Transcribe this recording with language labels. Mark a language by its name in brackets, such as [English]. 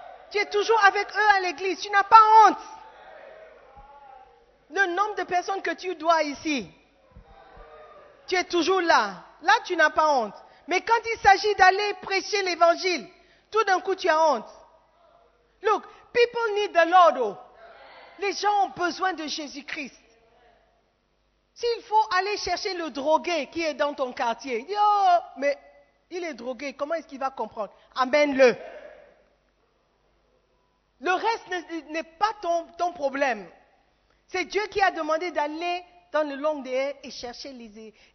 [French] Tu es toujours avec eux à l'église. Tu n'as pas honte. Le nombre de personnes que tu dois ici, tu es toujours là. Là, tu n'as pas honte. Mais quand il s'agit d'aller prêcher l'évangile, tout d'un coup, tu as honte. [English] Look, people need the Lord. [French] Les gens ont besoin de Jésus-Christ. S'il faut aller chercher le drogué qui est dans ton quartier, yo, mais il est drogué, comment est-ce qu'il va comprendre? Amène-le. Le reste n'est pas ton problème. C'est Dieu qui a demandé d'aller dans le long des haies et chercher les...